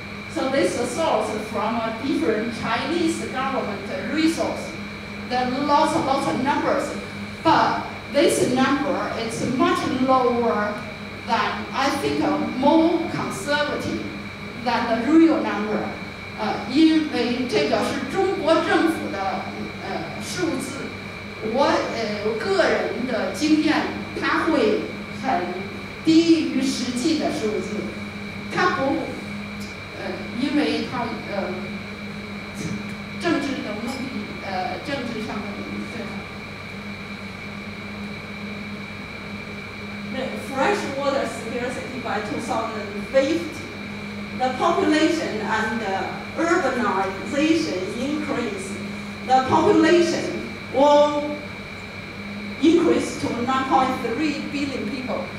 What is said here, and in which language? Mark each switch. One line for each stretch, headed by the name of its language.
English: So this source from a different Chinese government resource, then lots of numbers. But this number is much lower than, I think, more conservative than the real number.
Chinese: 因为这个是中国政府的数字，我个人的经验，它会很低于实际的数字，它不因为他政治的目的政治上的目的。
English: The fresh water scarcity by 2050, the population and the urbanization increase, the population will increase to 9.3 billion people.